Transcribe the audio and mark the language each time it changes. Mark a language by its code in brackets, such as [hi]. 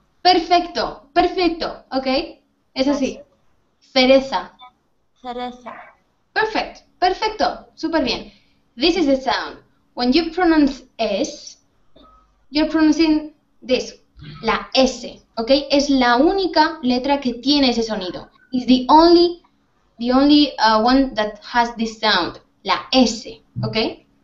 [es] Perfecto, perfecto, ok. Es así. Cereza. Cereza. Perfecto, perfecto, súper bien. This is the sound. [en] When you pronounce S, you're pronouncing this, la S, ok. [es] Es la única letra que tiene ese sonido. [en] It's the only one that has this sound, la S, ok.